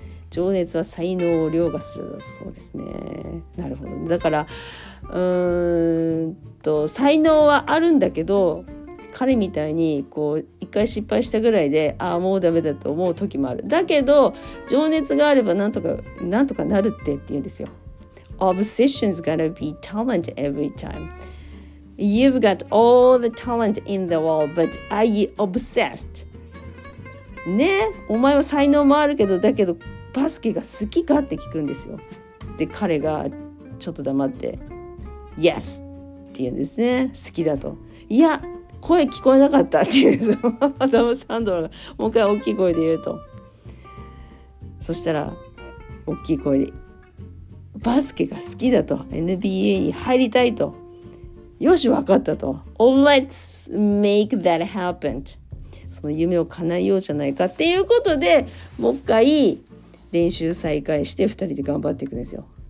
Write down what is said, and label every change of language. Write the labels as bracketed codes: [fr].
[ja] 情熱は才能を凌駕するだそうですね。なるほど、ね、だから才能はあるんだけど、彼みたいにこう一回失敗したぐらいで、ああもうダメだと思う時もある。だけど情熱があればなんとかなるってって言うんですよ。 [en] Obsession's gonna be talent every time. You've got all the talent in the world, but are you obsessed? [ja] ね、お前は才能もあるけど、だけどバスケが好きかって聞くんですよ。で彼がちょっと黙って Yes って言うんですね。好きだと。いや声聞こえなかったっていう、アダム・サンドラがもう一回大きい声で言うと、そしたら大きい声でバスケが好きだと、 NBA に入りたいと、よし分かったと、 [en] Let's make that happen、 [ja] その夢を叶えようじゃないかっていうことで、もう一回練習再開して2人で頑張っていくんですよ。